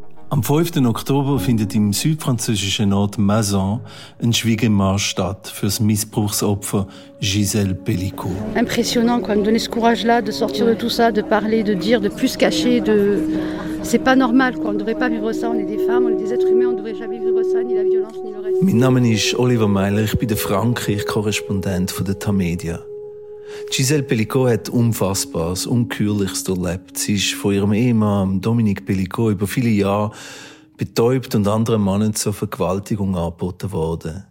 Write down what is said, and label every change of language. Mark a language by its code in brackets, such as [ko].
[de] Am 5. Oktober findet im südfranzösischen Ort Mazan ein Schwiegermarsch statt für das Missbrauchsopfer Gisèle Pelicot. [fr] Impressionnant, quoi, me donner ce courage-là, de sortir de tout ça, de parler, de dire, de plus cacher, de. C'est pas normal, quoi. On ne devrait pas vivre ça. On est des femmes, on est des êtres humains, on ne devrait jamais vivre ça, ni la violence, ni le reste. [de] Mein Name ist Oliver Meiler, ich bin der Frankreich-Korrespondent von der Tamedia. Gisèle Pelicot hat Unfassbares, Ungeheuerliches erlebt. Sie ist von ihrem Ehemann Dominique Pelicot über viele Jahre betäubt und anderen Männern zur Vergewaltigung angeboten worden.